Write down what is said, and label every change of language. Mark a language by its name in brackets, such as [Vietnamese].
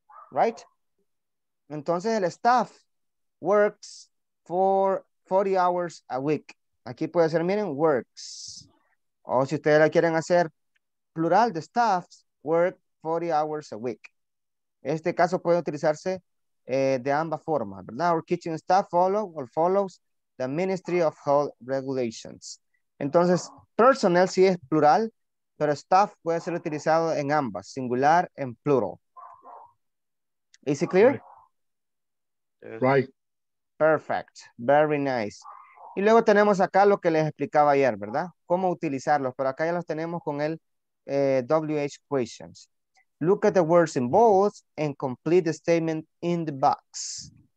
[English] Right? [Spanish] Entonces, el [English] staff works for 40 hours a week. [Spanish] Aquí puede ser, miren, works. O si ustedes la quieren hacer plural de staffs, [English] work 40 hours a week. [Spanish] Este caso puede utilizarse de ambas formas, ¿verdad? [English] Our kitchen staff follows the Ministry of Health Regulations. [Spanish] Entonces, personnel sí es plural, pero staff puede ser utilizado en ambas, singular en plural. [English] Is it clear? Right. Perfect, very nice. [Spanish] Y luego tenemos acá lo que les explicaba ayer, ¿verdad? Cómo utilizarlos, pero acá ya los tenemos con el WH questions. [English] Look at the words in bold and complete the statement in the box.